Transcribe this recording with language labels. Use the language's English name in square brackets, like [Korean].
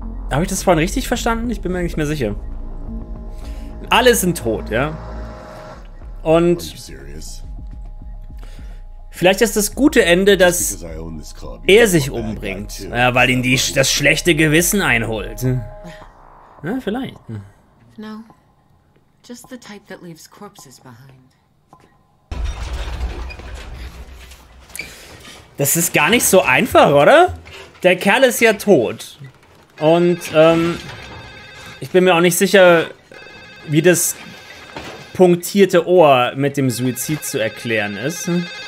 [German] Habe ich das vorhin richtig verstanden? Ich bin mir nicht mehr sicher. Alle sind tot, ja? Und... Vielleicht ist das gute Ende, dass er sich umbringt. Ja, weil ihn das schlechte Gewissen einholt. Ja, vielleicht. [English] Just the type that leaves corpses behind. [German] Das ist gar nicht so einfach, oder? Der Kerl ist ja tot. Und ich bin mir auch nicht sicher, wie das punktierte Ohr mit dem Suizid zu erklären ist. Hm?